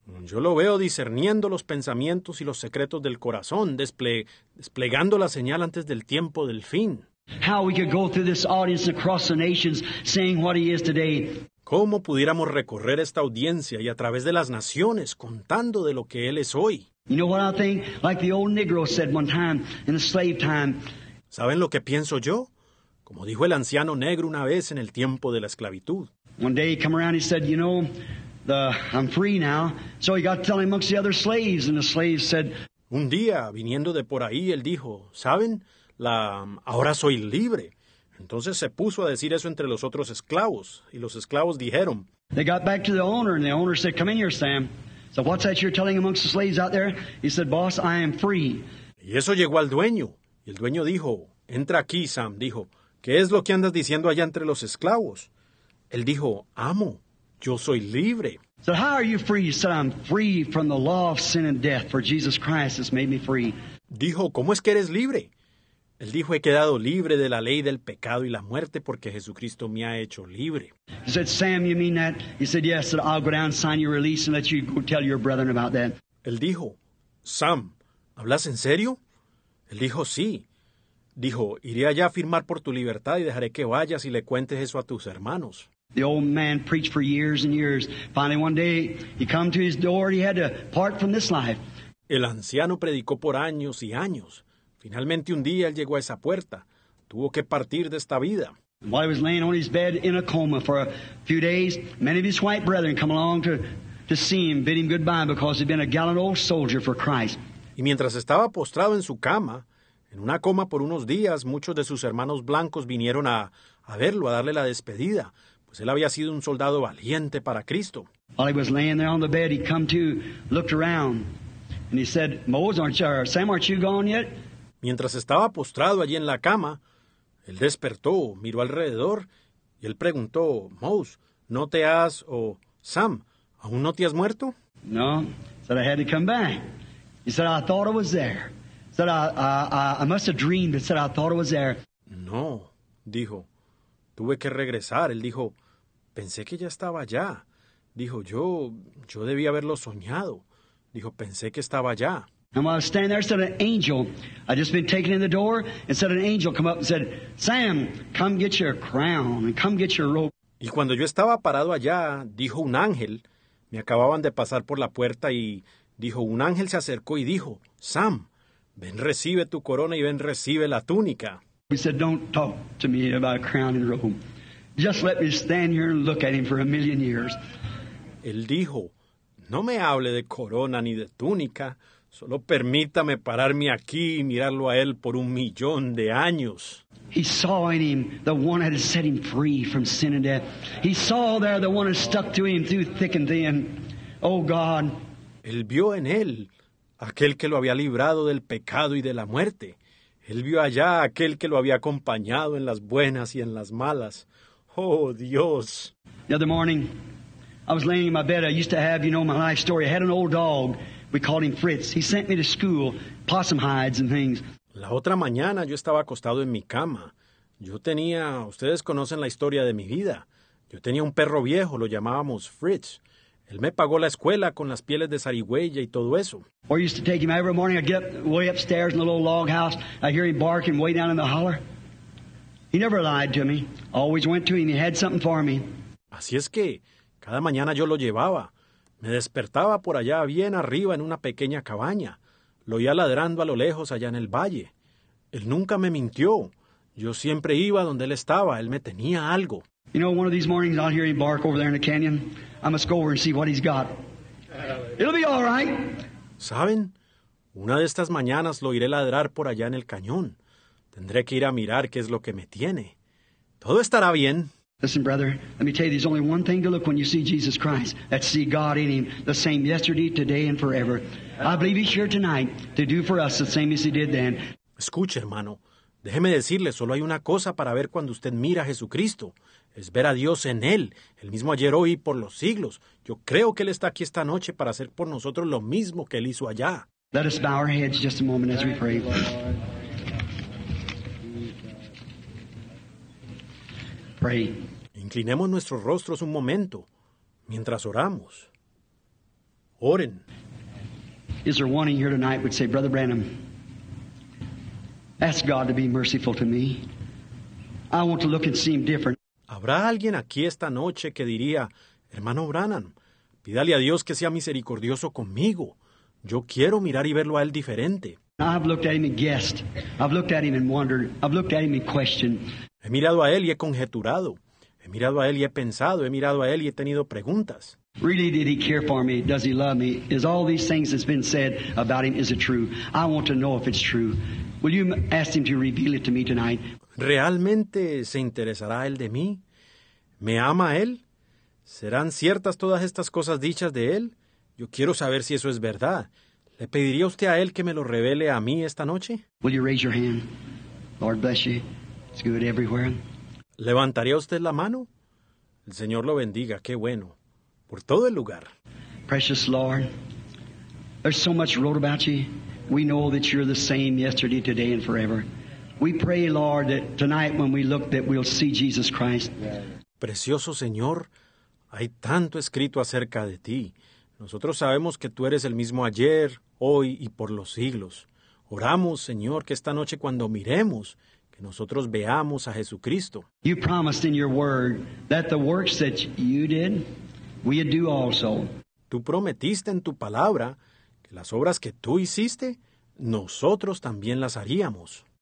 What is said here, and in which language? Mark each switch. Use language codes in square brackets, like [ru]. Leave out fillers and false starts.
[es] Yo lo veo discerniendo los pensamientos y los secretos del corazón, desplegando la señal antes del tiempo del fin. [en] How we could go through this audience across the nations, seeing what he is today. [es] ¿Cómo pudiéramos recorrer esta audiencia y a través de las naciones contando de lo que él es hoy? [en] You know what I think? Like the old Negro said one time in the slave time. [es] ¿Saben lo que pienso yo? Como dijo el anciano negro una vez en el tiempo de la esclavitud. [en] One day he came around and he said, you know, I'm free now. So he got telling amongst the other slaves, and the slaves said. [es] Un día, viniendo de por ahí, él dijo, ¿saben? Ahora soy libre. Entonces se puso a decir eso entre los otros esclavos, y los esclavos dijeron. [en] They got back to the owner, and the owner said, come in here, Sam. So what's that you're telling amongst the slaves out there? He said, boss, I am free. [es] Y eso llegó al dueño. Y el dueño dijo, entra aquí, Sam. Dijo, ¿qué es lo que andas diciendo allá entre los esclavos? Él dijo, amo, yo soy libre. [en] So how are you free? He said, I'm free from the law of sin and death, for Jesus Christ has made me free. [es] Dijo, ¿cómo es que eres libre? Él dijo, he quedado libre de la ley del pecado y la muerte porque Jesucristo me ha hecho libre. [en] He said, Sam, you mean that? He said, yes, so I'll go down and sign your release and let you go tell your brethren about that. [es] Él dijo, Sam, ¿hablas en serio? Él dijo, sí. Dijo, iré allá a firmar por tu libertad y dejaré que vayas y le cuentes eso a tus hermanos. [en] The old man preached for years and years. Finally, one day, he come to his door and he had to part from this life. [es] El anciano predicó por años y años. Finalmente un día él llegó a esa puerta. Tuvo que partir de esta vida. [en] While he was laying on his bed in a coma for a few days, many of his white brethren come along to see him, bid him goodbye because he'd been a gallant old soldier for Christ. [es] Y mientras estaba postrado en su cama, en una coma por unos días, muchos de sus hermanos blancos vinieron a verlo, a darle la despedida, pues él había sido un soldado valiente para Cristo. [en] While he was laying there on the bed, he come to, looked around, and he said, Moses, aren't you, Sam, aren't you gone yet? [es] Mientras estaba postrado allí en la cama, él despertó, miró alrededor y él preguntó, Mose, ¿no te has, o Sam, aún no te has muerto? [en] No, said I had to come back. He said, I thought I was there. Said I must have dreamed, but said I thought I was there. [es] No, dijo, tuve que regresar. Él dijo, pensé que ya estaba allá. Dijo, yo debí haberlo soñado. Dijo, pensé que estaba allá. [en] And while I was standing there, said an angel, I'd just been taken in the door, and said an angel come up and said, Sam, come get your crown and come get your robe. [es] Y cuando yo estaba parado allá, dijo un ángel, me acababan de pasar por la puerta y dijo, un ángel se acercó y dijo, Sam, ven recibe tu corona y ven recibe la túnica. [en] He said, don't talk to me about a crown and robe. Just let me stand here and look at him for a million years. [es] Él dijo, no me hable de corona ni de túnica. Solo permítame pararme aquí y mirarlo a él por un millón de años. [en] He saw in him the one that had set him free from sin and death. He saw there the one that stuck to him through thick and thin. Oh God. [es] Él vio en él aquel que lo había librado del pecado y de la muerte. Él vio allá aquel que lo había acompañado en las buenas y en las malas. Oh Dios. [en] The other morning, I was laying in my bed. I used to have, you know, my life story. I had an old dog. We called him Fritz. He sent me to school, possum hides and things. [es] La otra mañana yo estaba acostado en mi cama. Yo tenía, ustedes conocen la historia de mi vida. Yo tenía un perro viejo, lo llamábamos Fritz. Él me pagó la escuela con las pieles de zarigüeya y todo eso. [en] Or used to take him every morning. I'd get way upstairs in the little log house. I'd hear him barking way down in the holler. He never lied to me. Always went to him. He had something for me. [es] Así es que cada mañana yo lo llevaba. Me despertaba por allá bien arriba en una pequeña cabaña. Lo oía ladrando a lo lejos allá en el valle. Él nunca me mintió. Yo siempre iba donde él estaba. Él me tenía algo. [en] You know, one of these mornings I'll hear him bark over there in the canyon. I must go over and see what he's got. It'll be all right. [es] ¿Saben? Una de estas mañanas lo iré ladrar por allá en el cañón. Tendré que ir a mirar qué es lo que me tiene. Todo estará bien. [en] Listen, brother, let me tell you, there's only one thing to look when you see Jesus Christ. That's see God in him, the same yesterday, today, and forever. I believe he's here tonight to do for us the same as he did then. [es] Escuche, hermano. Déjeme decirle, solo hay una cosa para ver cuando usted mira a Jesucristo. Es ver a Dios en Él, el mismo ayer, hoy y por los siglos. Yo creo que Él está aquí esta noche para hacer por nosotros lo mismo que Él hizo allá. [en] Let us bow our heads just a moment as we pray. Pray. [es] Inclinemos nuestros rostros un momento, mientras oramos. Oren. [en] Is there one in here tonight would say, Brother Branham, ask God to be merciful to me. I want to look and see him different. [es] ¿Habrá alguien aquí esta noche que diría, hermano Branham, pídale a Dios que sea misericordioso conmigo? Yo quiero mirar y verlo a él diferente. [en] I've looked at him and guessed. I've looked at him and wondered. I've looked at him and questioned. [es] He mirado a él y he conjeturado. He mirado a él y he pensado. He mirado a él y he tenido preguntas. [en] Really, did he care for me? Does he love me? Is all these things that's been said about him, is it true? I want to know if it's true. Will you ask him to reveal it to me tonight? [es] ¿Realmente se interesará él de mí? ¿Me ama él? ¿Serán ciertas todas estas cosas dichas de él? Yo quiero saber si eso es verdad. ¿Le pediría usted a él que me lo revele a mí esta noche? [en] Will you raise your hand? Lord bless you. It's good everywhere. [es] ¿Levantaría usted la mano? El Señor lo bendiga. Qué bueno. Por todo el lugar. [en] Precious Lord, there's so much wrote about you. We know that you're the same yesterday, today, and forever. We pray, Lord, that tonight when we look, that we'll see Jesus Christ. [es] Precioso Señor, hay tanto escrito acerca de ti. Nosotros sabemos que tú eres el mismo ayer, hoy y por los siglos. Oramos, Señor, que esta noche cuando miremos, que nosotros veamos a Jesucristo. [en] You promised in your word that the works that you did, we'd do also. [es] Tú prometiste en tu palabra que las obras que tú hiciste, nosotros también las haríamos.